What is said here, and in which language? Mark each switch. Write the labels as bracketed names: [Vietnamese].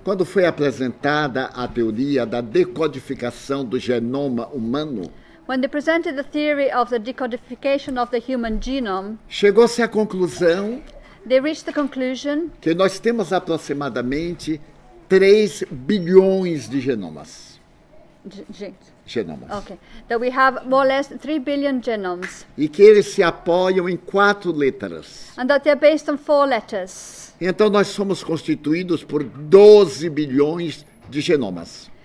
[Portuguese] quando foi apresentada a teoria da decodificação do genoma humano, [English] when they presented the theory of the decodification of the human genome, [Portuguese] chegou-se à conclusão, [English] they reached the conclusion, [Portuguese] que nós temos aproximadamente 3 bilhões de genomas. Genomas. [English] Okay. That we have more or less 3 billion genomes. [Portuguese] E que eles se apoiam em 4 letras. [English] And that they're based on 4 letters. [Portuguese] Então nós somos constituídos por 12 bilhões de genomas.